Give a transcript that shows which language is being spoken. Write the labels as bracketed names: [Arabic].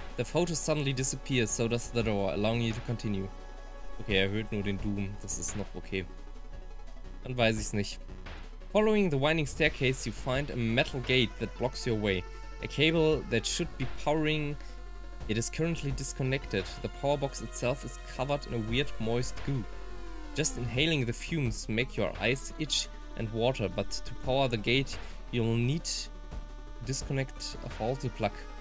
[English] The photo suddenly disappears, so does the door, allowing you to continue. [German] Okay, erhöht nur den Doom, das ist noch okay. Dann weiß ich's nicht. [English] Following the winding staircase, you find a metal gate that blocks your way. A cable that should be powering. It is currently disconnected. The power box itself is covered in a weird moist goo. Just inhaling the fumes make your eyes itch and water, but to power the gate you'll need to disconnect a faulty plug.